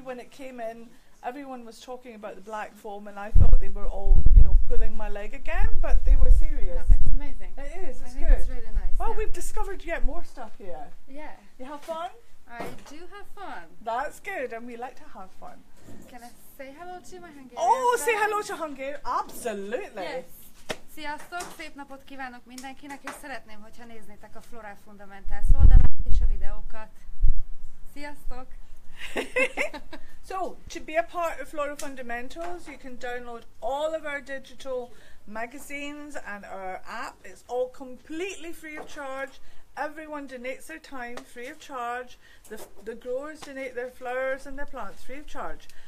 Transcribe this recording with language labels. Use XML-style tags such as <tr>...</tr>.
<en>When it came in, everyone was talking about the black foam, and I thought they were all, you know, pulling my leg again, but they were serious. No, it's amazing. It is. It's good. It's really nice. Well, yeah. We've discovered yet more stuff here. Yeah. You have fun? I do have fun. That's good, and we like to have fun. Can I say hello to my Hungarian friend? Oh, say hello to Hungary. Absolutely. Yes.</en> <hu>Sziasztok, szép napot kívánok mindenkinek, és szeretném, hogyha néznétek a Floral Fundamentals oldalát és a videókat. Sziasztok.</hu> <en>So, to be a part of Floral Fundamentals, you can download all of our digital magazines and our app. It's all completely free of charge. Everyone donates their time free of charge. The growers donate their flowers and their plants free of charge.</en>